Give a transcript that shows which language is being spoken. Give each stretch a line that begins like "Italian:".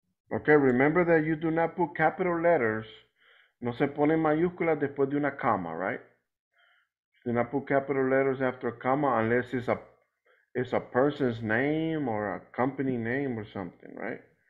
English: Okay, remember that you do not put capital letters.
Spanish: No se pone mayúscula después de una comma, right?
English: Do not put capital letters after a comma unless it's a person's name or a company name or something, right?